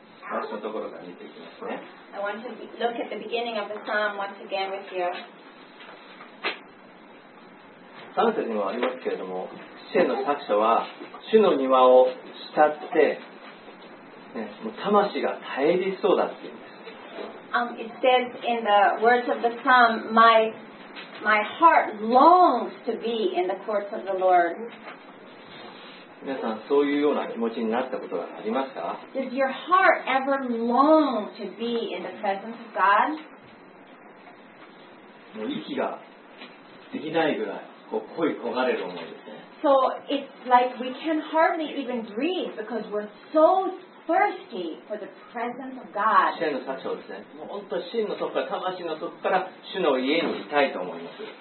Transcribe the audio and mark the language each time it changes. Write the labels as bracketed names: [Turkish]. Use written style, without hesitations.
[English] I want to look at the beginning of the psalm once again with you. [Japanese] 三節にもありますけれども、詩篇の作者は主の庭を慕って、ね、もう魂が耐えりそうだって言うんです。 [English] It says in the words of the psalm, my heart longs to be in the courts of the Lord. [Japanese] 皆さん、そういうような気持ちになったことがありますか？ [English] Does your heart ever long to be in the presence of God? [Japanese] もう息ができないぐらい、こう恋焦がれる思いですね。 [English] So it's like we can hardly even breathe because we're so thirsty for the presence of God. [Japanese] 主の作者ですね。もう本当、真の底から、魂の底から主の家にいたいと思います。